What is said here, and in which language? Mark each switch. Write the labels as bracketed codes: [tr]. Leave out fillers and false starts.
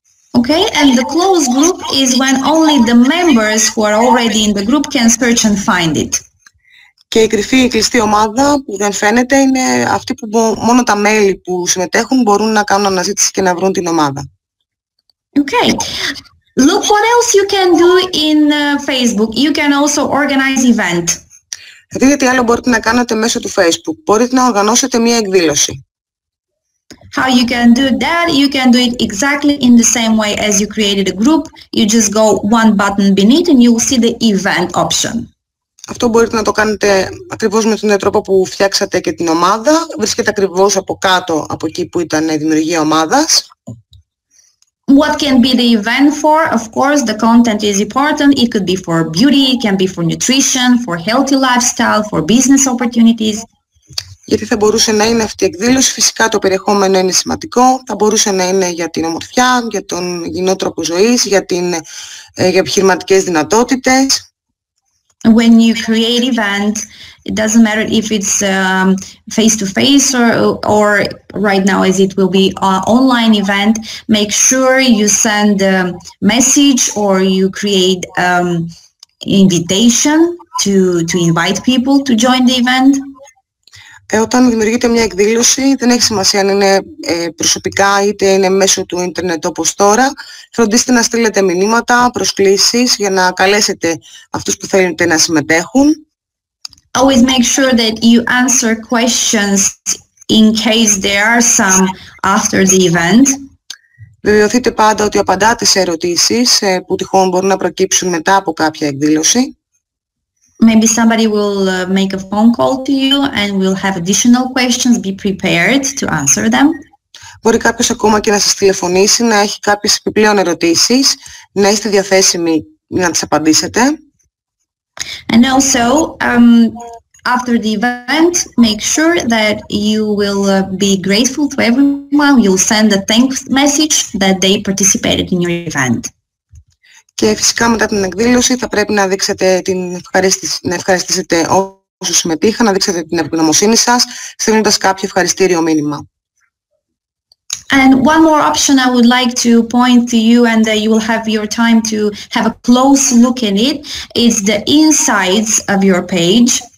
[en] Okay, and the closed group is when only the members who are already in the group can search and find it. [el] Και η κρυφή, η κλειστή ομάδα που δεν φαίνεται είναι αυτή που μόνο τα μέλη που συμμετέχουν μπορούν να κάνουν αναζήτηση και να βρουν την ομάδα. [en] Okay. Look what else you can do in Facebook. You can also organize event. [el] Δείτε τι άλλο μπορείτε να κάνετε μέσω του Facebook. Μπορείτε να οργανώσετε μια εκδήλωση. [en] How you can do that? You can do it exactly in the same way as you created a group. You just go one button beneath and you will see the event option. [el] Αυτό μπορείτε να το κάνετε ακριβώς με τον τρόπο που φτιάξατε και την ομάδα. Βρίσκεται ακριβώς από κάτω από εκεί που ήταν η δημιουργία ομάδας. [en] what can be the event for? Of course, the content is important. It could be for beauty, it can be for nutrition, for healthy lifestyle, for business opportunities. [el] Γιατί θα μπορούσε να είναι αυτή η εκδήλωση. Φυσικά το περιεχόμενο είναι σημαντικό. Θα μπορούσε να είναι για την ομορφιά, για τον υγιεινό τρόπο ζωής, για, για επιχειρηματικές δυνατότητες. [en] When you create events, it doesn't matter if it's face-to-face or right now as it will be an online event, make sure you send a message or you create invitation to invite people to join the event. [el] Όταν δημιουργείται μια εκδήλωση, δεν έχει σημασία αν είναι προσωπικά είτε είναι μέσω του ίντερνετ όπως τώρα. Φροντίστε να στείλετε μηνύματα, προσκλήσεις για να καλέσετε αυτούς που θέλετε να συμμετέχουν. [en] Always make sure that you answer questions in case there are some after the event. [el] Βεβαιωθείτε πάντα ότι απαντάτε σε ερωτήσεις που τυχόν μπορούν να προκύψουν μετά από κάποια εκδήλωση. [en] Maybe somebody will make a phone call to you and will have additional questions. Be prepared to answer them. [el] Μπορεί κάποιος ακόμα και να σας τηλεφωνήσει, να έχει κάποιες επιπλέον ερωτήσεις, να είστε διαθέσιμοι να τις απαντήσετε. [en] And also, after the event, make sure that you will be grateful to everyone. You'll send a thanks message that they participated in your event. [el] Και φυσικά μετά την εκδήλωση θα πρέπει να δείξετε την ευχαρίστηση, να ευχαριστήσετε όσους συμμετείχαν, να δείξετε την ευγνωμοσύνη σας, στείλοντας κάποιο ευχαριστήριο μήνυμα. [en] And one more option I would like to point to you, and you will have your time to have a close look at it, is the insights of your page.